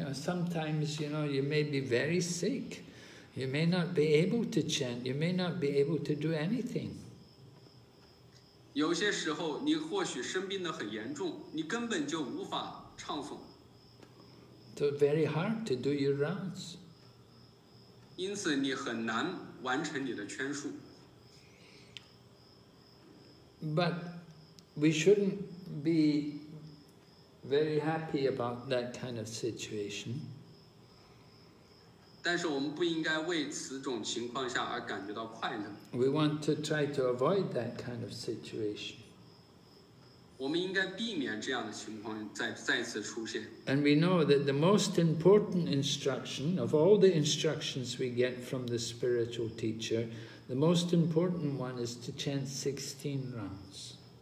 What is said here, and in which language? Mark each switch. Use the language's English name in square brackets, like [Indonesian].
[English] know, sometimes you know you may be very sick, you may not be able to chant, you may not be able to do anything. [Chinese] 有些时候你或许生病的很严重，你根本就无法唱诵。 [English] So very hard to do your rounds. [Chinese] 因此你很难完成你的圈数。 [English] But we shouldn't be very happy about that kind of situation. [Chinese] 但是我们不应该为此种情况下而感觉到快乐。 [English] We want to try to avoid that kind of situation. [Chinese] 我们应该避免这样的情况再次出现。 [English] And we know that the most important instruction of all the instructions we get from the spiritual teacher, the most important one is to chant 16 rounds.